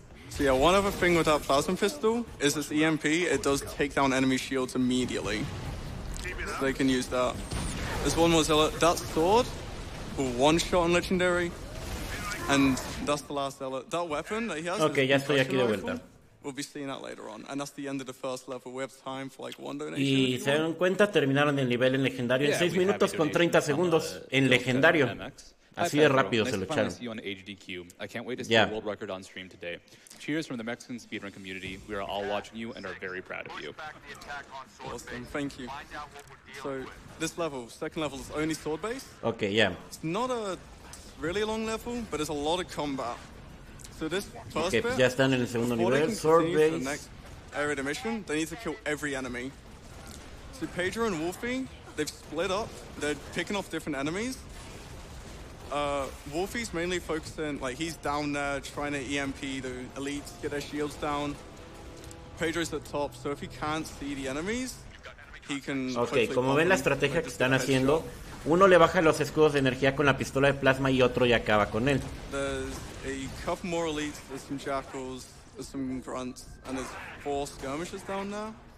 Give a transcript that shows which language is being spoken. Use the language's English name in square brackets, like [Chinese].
[English] So yeah, one other thing with that plasma pistol is this EMP. It does take down enemy shields immediately, so they can use that. There's one more Zealot. That sword with one shot on Legendary. And that's the last Zealot. That weapon that he has. [Spanish] Okay, ya estoy aquí de vuelta. [English] We'll be seeing that later on. And that's the end of the first level. We have time for like one donation. [Spanish] Y se dan cuenta, terminaron el nivel en Legendario en 6 minutos con 30 segundos en Legendario. Así de rápido se lo echaron. [English] I can't wait to see the world record on stream today. Cheers from the Mexican speedrun community. We are all watching you and are very proud of you. Awesome, thank you. So, this level, second level, is only sword based. Okay, yeah. It's not a really long level, but it's a lot of combat. So this first okay, bit, [Spanish] ya están en el segundo nivel. [English] They can sword base. The next area of the mission, they need to kill every enemy. So Pedro and Wolfie, they've split up. They're picking off different enemies. Wolfie's mainly focusing, like, he's down there trying to EMP the elites, get their shields down. Pedro's at top, so if he can't see the enemies, he can... [Spanish] Okay, como ven la estrategia que están haciendo, uno le baja los escudos de energía con la pistola de plasma y otro ya acaba con él. [English] There's a couple more elites, there's some jackals, there's some grunts, and there's four skirmishers down there.